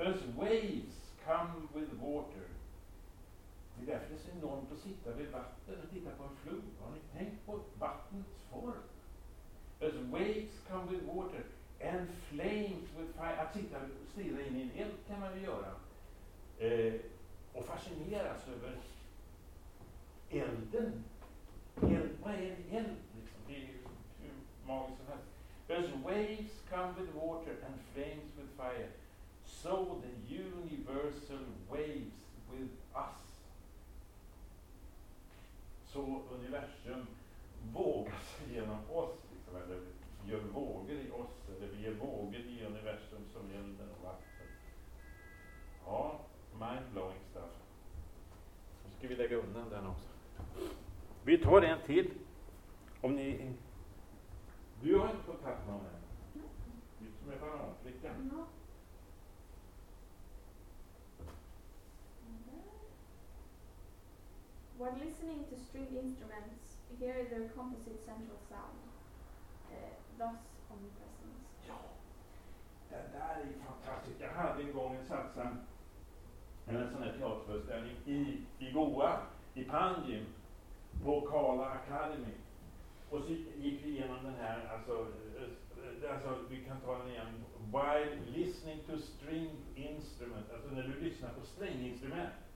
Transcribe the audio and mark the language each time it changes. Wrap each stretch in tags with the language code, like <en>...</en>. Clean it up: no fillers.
<en>As waves come with water.</en> <sv>Det är därför det är så enormt att sitta vid vatten och titta på en flod. Har ni tänkt på vattnets form?</sv> <en>As waves come with water and flames with fire.</en> <sv>Att sitta och stirra in i en eld kan man ju göra. Och fascineras över elden. Vad är eld? Liksom? Det är hur magiskt som helst.</sv> <en>As waves come with water and flames with fire, so the universal waves with us.</en> <sv>Så universum vågar sig genom oss, liksom, eller gör vågor i oss, eller vi ger vågor i universum som elden och vatten.</sv> <en>Ja, mind-blowing stuff.</en> <sv>Så ska vi lägga undan den också. Vi tar en till. Om ni... Du har inte kontakt med mig. Du som är bara flickan.</sv> <en>When listening to string instruments, hear their composite central sound, thus omnipresence.</en> <sv>Ja, det där är fantastiskt. Jag hade en gång en satsang, en sån här teaterföreställning i Goa, i Panjim, på Kala Academy. Och så gick vi igenom den här, alltså vi kan ta den igen,</sv> <en>while listening to string instruments,</en> <sv>alltså när du lyssnar på stränginstrument.</sv>